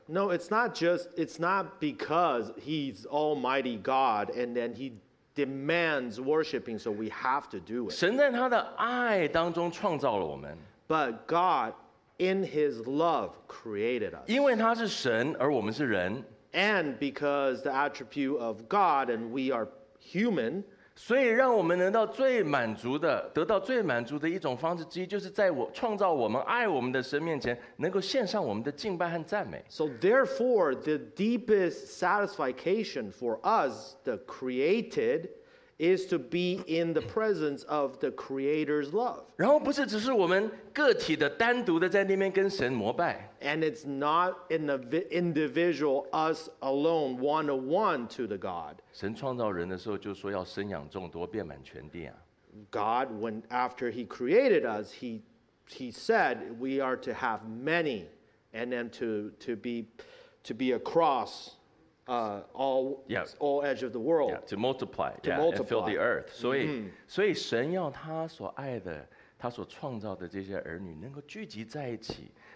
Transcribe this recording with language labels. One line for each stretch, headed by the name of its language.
English: No, it's not because he's Almighty God, and then he demands worshiping, so we have to do it.
Chinese: 神在他的爱当中创造了我们。
English: But God, in his love, created us.
Chinese: 因为他是神，而我们是人。
English: And because the attribute of God and we are human,
Chinese: 所以让我们能到最满足的，得到最满足的一种方式之一，就是在我创造我们爱我们的神面前，能够献上我们的敬拜和赞美。
English: So therefore, the deepest satisfaction for us, the created, is to be in the presence of the Creator's love.
Chinese: 然后不是只是我们个体的单独的在那边跟神膜拜。
English: And it's not in the individual us alone, one-on-one to the God.
Chinese: 神创造人的时候就说要生养众多，遍满全地啊。
English: God, when after he created us, he said we are to have many, and then to be across all edge of the world. Yeah, to multiply. And fill the earth.
Chinese: 所以神要他所爱的，他所创造的这些儿女能够聚集在一起。